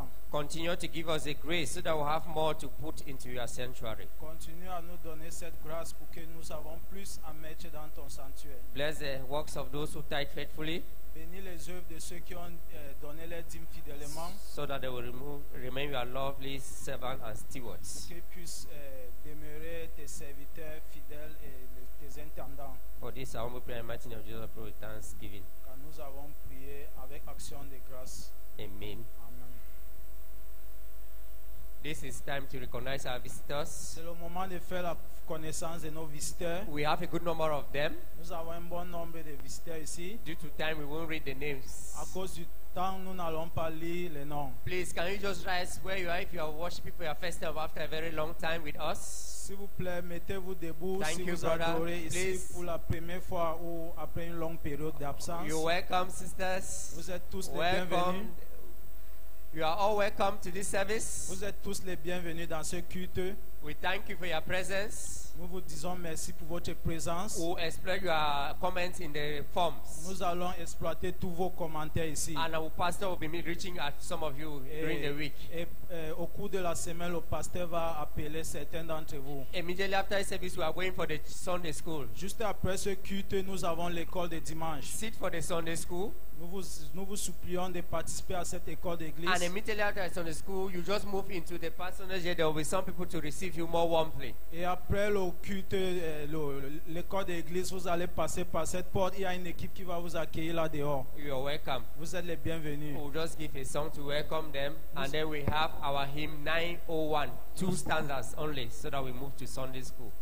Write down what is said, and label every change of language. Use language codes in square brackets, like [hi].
[en] Continue to give us the grace so that we have more to put into your sanctuary. [fr] Continue à nous donner cette grâce pour que nous avons plus à mettre dans ton sanctuaire. [en] Bless the works of those who tithe faithfully. [fr] Bénis les œuvres de ceux qui ont donné leur dîme fidèlement. [en] So that they will remain your lovely servants and stewards. [fr] Pour qu'ils puissent demeurer tes serviteurs fidèles et tes intendants. [en] For this, our humble prayer, mighty name of Jesus, pray with thanksgiving. [fr] Car nous avons prié avec action de grâce. [en] Amen. This is time to recognize our visitors. [fr] C'est le moment de faire la connaissance de nos visiteurs. [en] We have a good number of them. [fr] Nous avons un bon nombre de visiteurs ici. [en] Due to time, we won't read the names. [fr] À cause du temps, nous n'allons pas lire les noms. [en] Please, can you just rise where you are if you are worshiping for your first time after a very long time with us? [fr] S'il vous plaît, mettez-vous debout. [en] Thank [fr] si [en] you, [fr] vous adorez ici pour la première fois ou après une longue période d'absence. [en] You're welcome, sisters. [fr] Vous êtes tous les bienvenus. [en] You are all welcome to this service. [fr] Vous êtes tous les bienvenus dans ce culte. [en] We thank you for your presence. [fr] Nous vous disons merci pour votre présence. [en] We'll explore your comments in the forms. [fr] Nous allons exploiter tous vos commentaires ici. [en] And our pastor will be reaching at some of you during the week. [fr] Au cours de la semaine, le pasteur va appeler certains d'entre vous. [en] Immediately after the service, we are going for the Sunday school. [fr] Juste après ce culte, nous avons l'école de dimanche. [en] Sit for the Sunday school. [fr] Nous vous supplions de participer à cette école d'église. [en] And immediately after the Sunday school, you just move into the pastor's year. There will be some people to receive. receive you more warmly. [fr] Et après le culte, le corps d'église, vous allez passer par cette porte. Il y a une équipe qui va vous accueillir là dehors. [en] You are welcome. [fr] Vous êtes les bienvenus. [en] We'll just give a song to welcome them, and then we have our hymn 901, two standards only, so that we move to Sunday school.